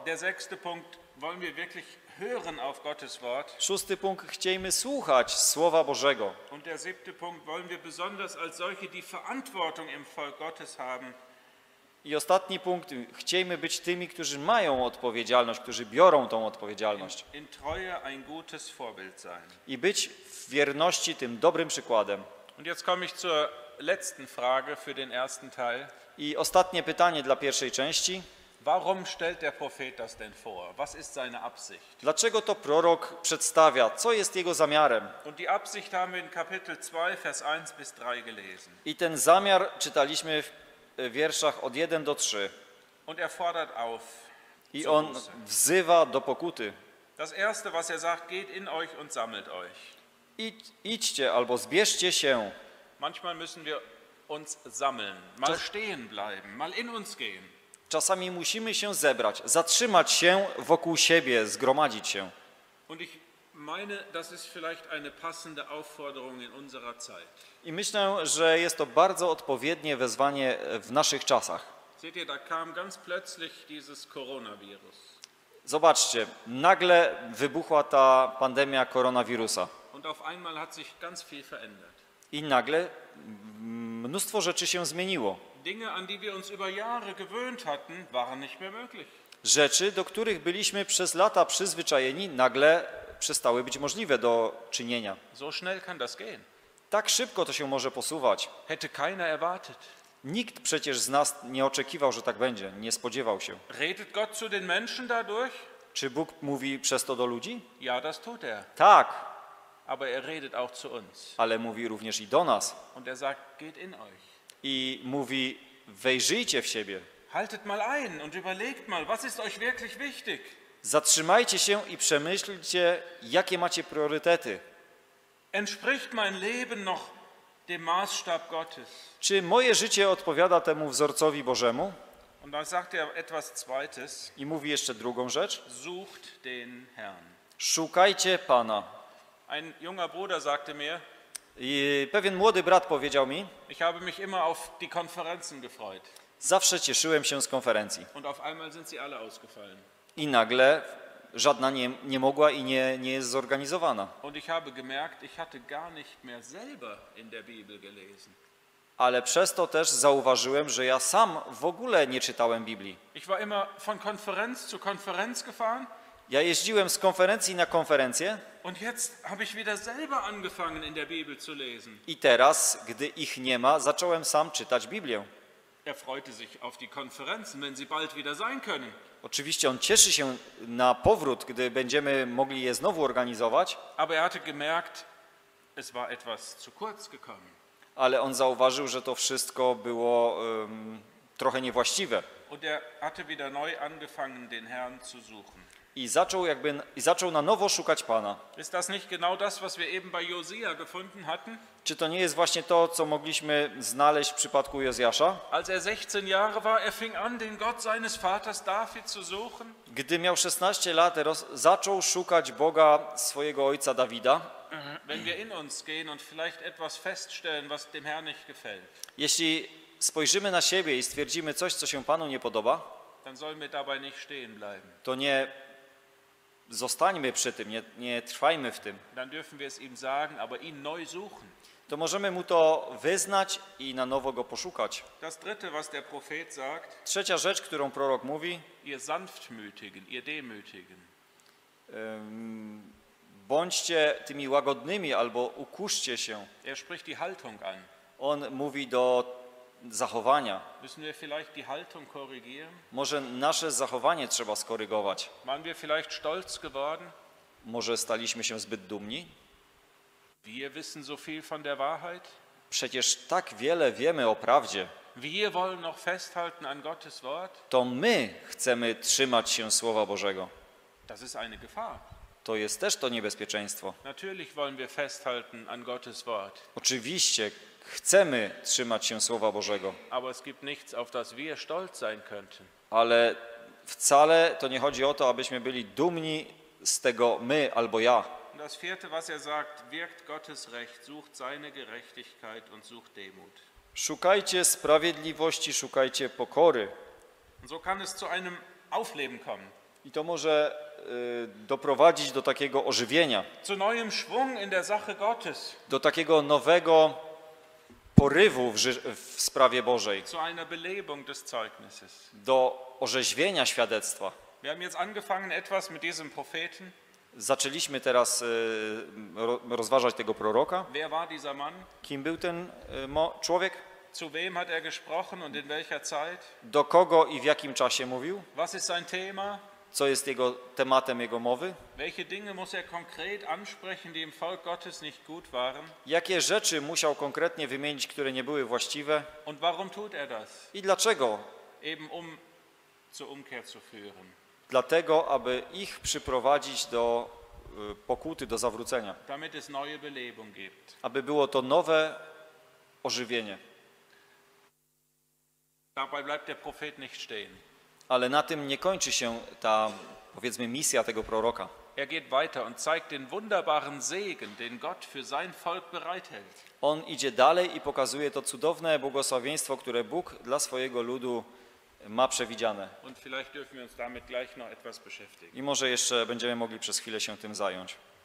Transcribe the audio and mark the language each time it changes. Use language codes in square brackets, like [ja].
[de] Der sechste Punkt, wollen wir wirklich hören auf Gottes Wort. [pl] Szósty punkt, chciejmy słuchać Słowa Bożego. [de] Und der siebte Punkt, wollen wir besonders als solche, die Verantwortung im Volk Gottes haben. [pl] I ostatni punkt, chciejmy być tymi, którzy mają odpowiedzialność, którzy biorą tą odpowiedzialność. [de] In Treue ein gutes Vorbild sein. [pl] I być w wierności tym dobrym przykładem. [de] Und jetzt komme ich zur letzten Frage für den ersten Teil. [pl] I ostatnie pytanie dla pierwszej części. [de] Warum stellt der Prophet das denn vor? Was ist seine Absicht? [pl] Dlaczego to prorok przedstawia? Co jest jego zamiarem? [de] Und die Absicht haben wir in Kapitel 2, Vers 1 bis 3 gelesen. [pl] I ten zamiar czytaliśmy w wierszach od 1 do 3. [de] Und er fordert auf. [pl] I on wzywa do pokuty. [de] Das erste, was er sagt, geht in euch und sammelt euch. [pl] Idźcie albo zbierzcie się. [de] Manchmal müssen wir uns sammeln, mal stehen bleiben, mal in uns gehen. [pl] Czasami musimy się zebrać, zatrzymać się wokół siebie, zgromadzić się. [de] Und ich meine, das ist vielleicht eine passende Aufforderung in unserer Zeit. [pl] I myślę, że jest to bardzo odpowiednie wezwanie w naszych czasach. [de] Seht ihr, da kam ganz plötzlich dieses Coronavirus. [pl] Zobaczcie, nagle wybuchła ta pandemia koronawirusa. [de] Und auf einmal hat sich ganz viel verändert. [pl] I nagle mnóstwo rzeczy się zmieniło. [de] Dinge, an die wir uns über Jahre gewöhnt hatten, waren nicht mehr möglich. [pl] Rzeczy, do których byliśmy przez lata przyzwyczajeni, nagle przestały być możliwe do czynienia. [de] So schnell kann das gehen. [pl] Tak szybko to się może posuwać. [de] Hätte keiner erwartet. [pl] Nikt przecież z nas nie oczekiwał, że tak będzie, nie spodziewał się. [de] Redet Gott zu den Menschen dadurch? [pl] Czy Bóg mówi przez to do ludzi? [de] Ja, das tut er. [pl] Tak. [de] Aber er redet auch zu uns. [pl] Ale mówi również i do nas. [de] Und er sagt, geht in euch. [pl] I mówi, wejrzyjcie w siebie. [de] Haltet mal ein und überlegt mal, was ist euch wirklich wichtig. [pl] Zatrzymajcie się i przemyślcie, jakie macie priorytety. [de] Entspricht mein Leben noch dem Maßstab Gottes? [pl] Czy moje życie odpowiada temu wzorcowi Bożemu? [de] Und dann sagt er etwas Zweites. [pl] I mówi jeszcze drugą rzecz. [de] Sucht den Herrn. [pl] Szukajcie Pana. [de] Ein junger Bruder sagte mir. [pl] I pewien młody brat powiedział mi. [de] Ich habe mich immer auf die Konferenzen gefreut. [pl] Zawsze cieszyłem się z konferencji. [de] Und auf einmal sind sie alle ausgefallen. [pl] I nagle żadna nie mogła i nie jest zorganizowana. [de] Und ich habe gemerkt, ich hatte gar nicht mehr selber in der Bibel gelesen. [pl] Ale przez to też zauważyłem, że ja sam w ogóle nie czytałem Biblii. [de] Ich war immer von Konferenz zu Konferenz gefahren. [pl] Ja jeździłem z konferencji na konferencję. [de] Und jetzt habe ich wieder selber angefangen in der Bibel zu lesen. [pl] I teraz, gdy ich nie ma, zacząłem sam czytać Biblię. [de] Er freute sich auf die Konferenzen, wenn sie bald wieder sein können. [pl] Oczywiście on cieszy się na powrót, gdy będziemy mogli je znowu organizować. [de] Aber er hatte gemerkt, es war etwas zu kurz gekommen. [pl] Ale on zauważył, że to wszystko było trochę niewłaściwe. [de] Und er hatte wieder neu angefangen den Herrn zu suchen. [pl] I zaczął jakby i zaczął na nowo szukać Pana. [de] Ist das nicht genau das, was wir eben bei Josia gefunden hatten? [pl] Czy to nie jest właśnie to, co mogliśmy znaleźć w przypadku Jozjasza? [de] Als er 16 Jahre war, er fing an, den Gott seines Vaters David zu suchen. [pl] Gdy miał 16 lat, zaczął szukać Boga swojego ojca Dawida. [de] Wenn wir in uns gehen und vielleicht etwas feststellen, was dem Herrn nicht gefällt. [pl] Jeśli spojrzymy na siebie i stwierdzimy coś, co się Panu nie podoba, [de] dann sollen wir dabei nicht stehen bleiben. [pl] To nie zostańmy przy tym, nie trwajmy w tym. [de] Dann dürfen wir es ihm sagen, aber ihn neu suchen. [pl] To możemy mu to wyznać i na nowo go poszukać. [de] Das dritte, was der Prophet sagt, [pl] trzecia rzecz, którą prorok mówi, [de] ihr sanftmütigen, ihr demütigen. [pl] Bądźcie tymi łagodnymi albo ukuszcie się. [de] Er spricht die Haltung an. [pl] On mówi do zachowania. [de] Müssen wir vielleicht die Haltung korrigieren? [pl] Może nasze zachowanie trzeba skorygować? [de] Waren wir vielleicht stolz geworden? [pl] Może staliśmy się zbyt dumni? [de] Wir wissen so viel von der Wahrheit? [pl] Przecież tak wiele wiemy o prawdzie. [de] Wir wollen noch festhalten an Gottes Wort? [pl] To my chcemy trzymać się Słowa Bożego. [de] Das ist eine Gefahr. [pl] To jest też to niebezpieczeństwo. [de] Natürlich wollen wir festhalten an Gottes Wort. [pl] Oczywiście chcemy trzymać się Słowa Bożego. [de] Aber es gibt nichts, auf das wir stolz sein könnten. [pl] Ale wcale to nie chodzi o to, abyśmy byli dumni z tego my albo ja. [de] Das vierte, was er sagt, wirkt Gottes Recht, sucht seine Gerechtigkeit und sucht Demut. [pl] Szukajcie sprawiedliwości, szukajcie pokory. [de] Und so kann es zu einem Aufleben kommen. [pl] I to może doprowadzić do takiego ożywienia. [de] Zu neuem Schwung in der Sache Gottes. [pl] Do takiego nowego porywu w sprawie Bożej. [de] Zu einer Belebung des Zeugnisses. [pl] Do orzeźwienia świadectwa. [de] Wir haben jetzt angefangen etwas mit diesem Propheten. [pl] Zaczęliśmy teraz rozważać tego proroka. [de] Wer war dieser Mann? [pl] Kim był ten człowiek? [de] Zu wem hat er gesprochen und in welcher Zeit? [pl] Do kogo i w jakim czasie mówił? [de] Was ist sein Thema? [pl] Co jest jego tematem jego mowy? [de] Welche Dinge muss er konkret ansprechen, die im Volk Gottes nicht gut waren? [pl] Jakie rzeczy musiał konkretnie wymienić, które nie były właściwe? [de] Und warum tut er das? [pl] I dlaczego? [de] Eben um zur Umkehr zu führen. [pl] Dlatego, aby ich przyprowadzić do pokuty, do zawrócenia. [de] Damit es neue Belebung gibt. [pl] Aby było to nowe ożywienie. [de] Dabei bleibt der Prophet nicht stehen. [pl] Ale na tym nie kończy się ta, powiedzmy, misja tego proroka. [de] Er geht weiter und zeigt den wunderbaren Segen, den Gott für sein Volk bereithält. [pl] On idzie dalej i pokazuje to cudowne błogosławieństwo, które Bóg dla swojego ludu ma przewidziane. [de] Und vielleicht dürfen wir uns damit gleich noch etwas beschäftigen. [pl] I może jeszcze będziemy mogli przez chwilę się tym zająć.